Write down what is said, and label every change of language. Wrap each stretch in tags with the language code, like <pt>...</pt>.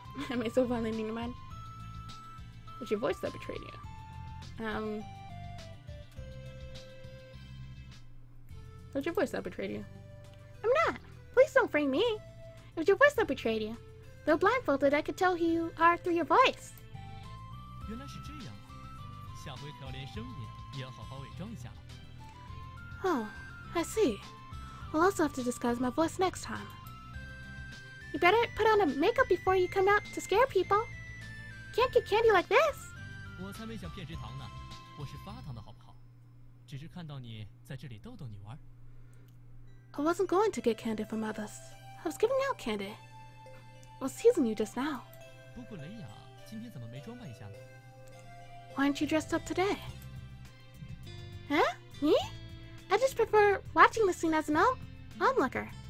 <en>Am I so violent in your mind? It's your voice that betrayed you. It's your voice that betrayed you. I'm not. Please don't frame me. It was your voice that betrayed you. Though blindfolded, I could tell who you are through your voice.</en> <zh>原来是这样啊。下回可练声音，也要好好伪装一下。</zh> <en>Oh, I see. I'll also have to disguise my voice next time. You better put on a makeup before you come out to scare people. Can't get candy like this.</en> <zh>我才没想骗只糖呢，我是发糖的好不好？只是看到你在这里逗逗你玩。</zh> <en>I wasn't going to get candy from others. I was giving out candy. I was teasing you just now.</en> <zh>不过雷雅今天怎么没装扮一下呢？</zh> <en>Why aren't you dressed up today? Huh? Me? I just prefer watching the scene as an onlooker.</en>